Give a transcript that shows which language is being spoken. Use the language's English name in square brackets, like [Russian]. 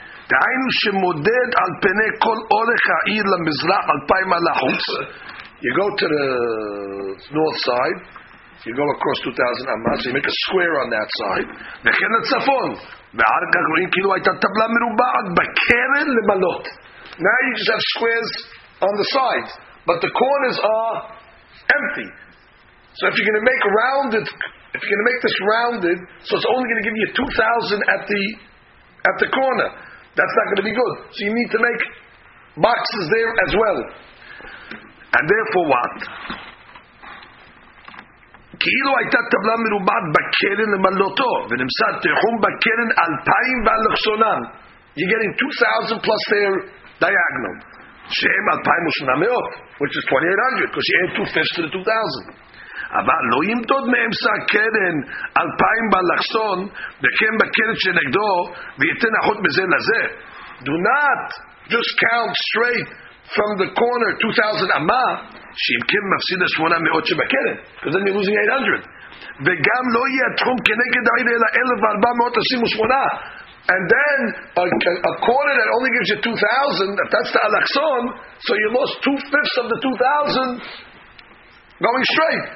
[Hebrew] דהיינו שמודד על פני כל אורך העיר למזרח אלפיים על החוץ. [English] You go to the north side, you go across 2,000 amah, so you make a square on that side. [Hebrew] וכן לצפון, ואחר כך רואים כאילו הייתה טבלה מרובעת בקרן למלות. [English] Now you just have squares on the sides, but the corners are empty. So if you're going to make rounded, if you're going to make this rounded, so it's only going to give you 2,000 at the corner. That's not going to be good. So you need to make boxes there as well. And therefore what? [Hebrew] כאילו הייתה טבלה מרובעת בקרן למלותו, ונמצא תחום בקרן אלפיים והלכסונן. [English] You're getting 2,000 plus their diagonal. [Hebrew] שהם אלפיים ושנה מאות, [English] which is 2,800, because you add 2/5 to the 2,000. [Hebrew] אבל לא ימדוד מאמצע הקרן אלפיים באלכסון וכן בקרן שנגדו ויתן אחות בזה לזה. [English] Do not just count straight from the corner 2,000 amah, [Hebrew] שאם כן מפסיד 800 שבקרן, [English] because then you're losing 800. [Hebrew] וגם לא יהיה תחום כנגד העירה אלא 1,428. [English] And then a quarter that only gives you 2,000, that's the alakson, so you lost 2/5 of the 2,000 going straight.